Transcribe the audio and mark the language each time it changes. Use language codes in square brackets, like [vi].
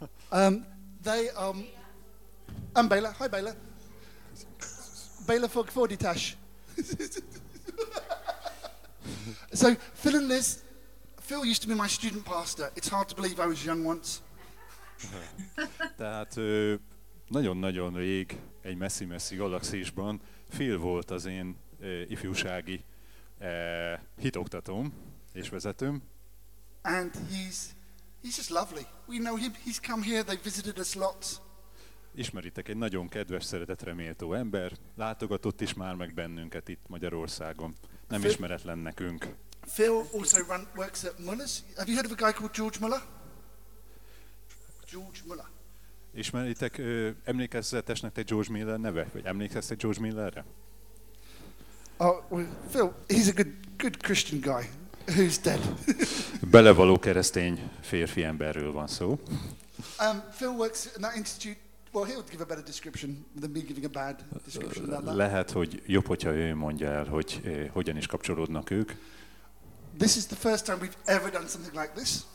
[en] I'm Baylor. Hi, Baylor. Baylor Fog for Detach. So Phil and Liz, Phil used to be my student pastor. It's hard to believe I was young once. [hu] Tehát nagyon-nagyon rég, egy messzi-messzi galaxisban Phil volt az én ifjúsági hitoktatóm és vezetőm. [en] And he's just lovely. We know him. He's come here. They visited us lots. [hu] Ismeritek, egy nagyon kedves, szeretetre méltó ember. Látogatott is már meg bennünket itt Magyarországon. Nem Phil, ismeretlen nekünk. [en] Phil also works at Muller's. Have you heard of a guy called George Muller? George Muller. [hu] Ismeritek, emlékezetesnek te George Miller neve? Vagy emlékezte George Millerre? [en] Phil, he's a good Christian guy. Who's dead? [hu] Belevaló keresztény férfi emberről van szó. [en] Phil works in that institute. Well, he'll give a better description than me giving a bad description about that. [hu] Lehet, hogy jobb, hogyha ő mondja el, hogy hogyan is kapcsolódnak ők. [en] This is the first time we've ever done something like this.